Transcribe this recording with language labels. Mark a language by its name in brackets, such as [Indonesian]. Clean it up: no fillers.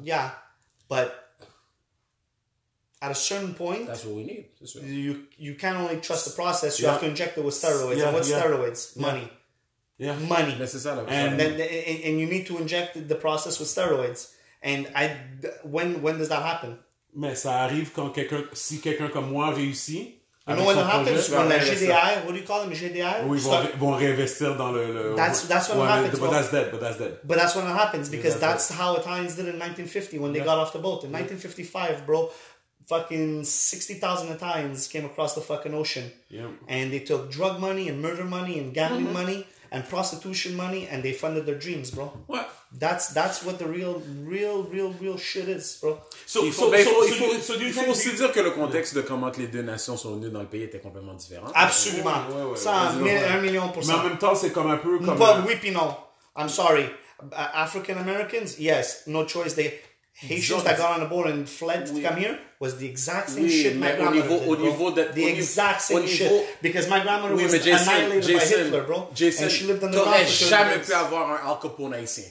[English] Yeah. But. At a certain point, that's what we need. You can't only trust the process. You have to inject it with steroids. Yeah, and what's steroids? Money. Yeah. Money. Necessarily. And you need to inject the process with steroids. And when does that happen? [French] Mais ça arrive quand quelqu'un si quelqu'un comme moi réussit. [English] You know when it happens when the GDI, what do you call them? GDI? [French] Oui, vont réinvestir dans le [English] That's what happens. But that's dead. But that's when it happens because that's how Italians did it in 1950 when they got off the boat. In 1955, bro. Fucking 60,000 Italians came across the fucking ocean. Yeah. And they took drug money and murder money and gambling money and prostitution money and they funded their dreams, bro. What? That's what the real shit is, bro. So do you think that the context of how the two nations were united in the country was completely different? Absolutely. Yeah. 1,000,000%. But at the same time, it's like... I'm sorry. African Americans, yes, no choice. They... Haitians that got on the board and fled to come here was the exact same shit my grandmother did, because my grandmother was annihilated by Hitler, bro. Jason, and she lived on the ground. [French] T'aurais jamais pu avoir un Al Capone haïtien.